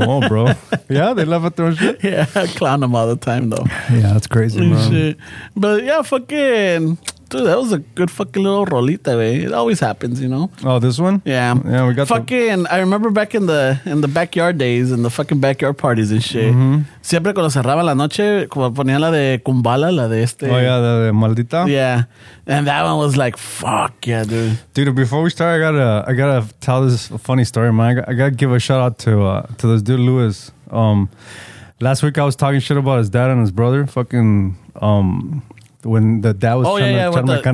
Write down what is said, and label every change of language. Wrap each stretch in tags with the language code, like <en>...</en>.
<en>You won't, bro. Yeah, they love a throw shit. Yeah, I clown them all the time, though. Yeah, that's crazy, bro. But yeah, fucking... Dude, that was a good fucking little rolita, babe. It always happens, you know? Oh, this one? Yeah. Yeah, we got fucking... I remember back in the backyard days and the fucking backyard parties and shit. Mm-hmm.</en> <es>Siempre cuando cerraba la noche, como ponía la de Kumbala, la de este...</es> <en>Oh, yeah, the Maldita? Yeah. And that one was like, fuck yeah, dude. Dude, before we start, I gotta tell this funny story, man. I gotta give a shout out to this dude, Lewis. Last week, I was talking shit about his dad and his brother. Fucking... when the dad was</en>